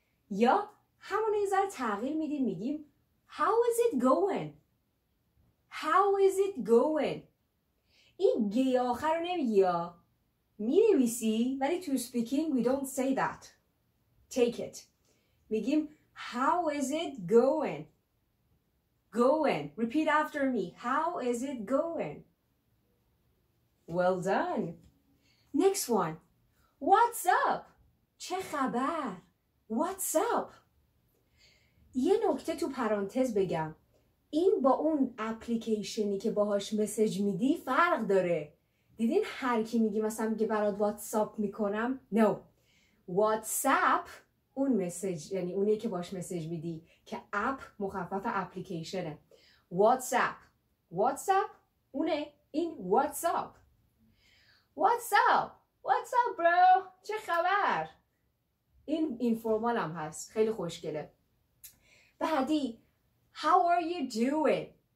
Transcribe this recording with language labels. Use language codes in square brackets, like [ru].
[fa] یا همون یه ذره تغییر میدیم میگیم [en] How is it going? How is it going? [fa] این گی آخر رو نمیگی یا مینویسی ولی تو [en] speaking we don't say that. Take it. [fa] میگیم [en] How is it going? Going. Repeat after me. How is it going? Well done. Next one. What's up? [fa] چه خبر؟ [en] What's up? [fa] یه نکته تو پرانتز بگم. این با اون اپلیکیشنی که باهاش مسیج میدی فرق داره. دیدین هر کی میگی مثلا میگه برات واتساپ میکنم؟ [en] No. [fa] واتساپ اون مسیج یعنی اونیه که باهاش مسیج میدی که اپ مخفف اپلیکیشنه. واتساپ. واتساپ اونه این واتساپ. واتساپ. واتساپ برو. چه خبر؟ این اینفورمال هم هست. خیلی خوشگله. بعدی [en] How are you doing?